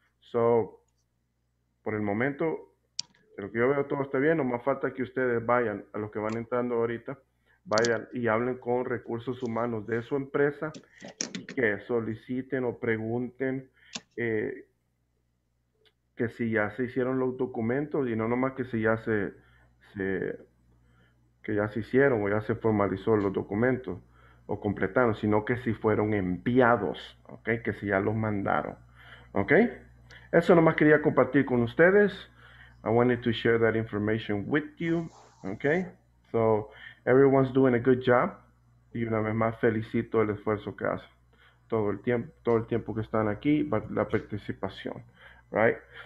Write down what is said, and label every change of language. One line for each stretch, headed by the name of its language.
Spanish: So, por el momento, pero que yo veo todo está bien, nomás falta que ustedes vayan a los que van entrando ahorita, vayan y hablen con recursos humanos de su empresa y que soliciten o pregunten que si ya se hicieron los documentos y no nomás que si ya se hicieron o ya se formalizó los documentos o completaron, sino que si fueron enviados, ¿ok? Que si ya los mandaron, ¿ok? Eso nomás quería compartir con ustedes.
English: I wanted to share that information with you, okay? So, everyone's doing a good job.
Spanish: Y una vez más, felicito el esfuerzo que hacen. Todo el tiempo que están aquí, la participación, right?